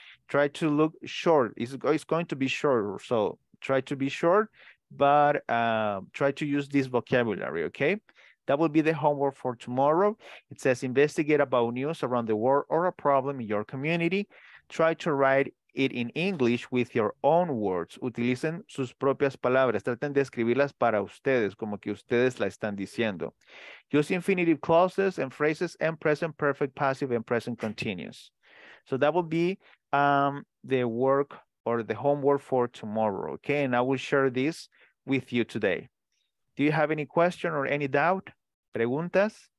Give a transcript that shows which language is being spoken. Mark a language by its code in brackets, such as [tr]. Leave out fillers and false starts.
[en] Try to look short. It's going to be short, so try to be short, but try to use this vocabulary, okay? That will be the homework for tomorrow. It says investigate about news around the world or a problem in your community. Try to write it in English with your own words. [es] Utilicen sus propias palabras. Traten de escribirlas para ustedes, como que ustedes la están diciendo. [en] Use infinitive clauses and phrases and present perfect passive and present continuous. So that will be the work or the homework for tomorrow, okay? And I will share this with you today. Do you have any question or any doubt? [es] ¿Preguntas?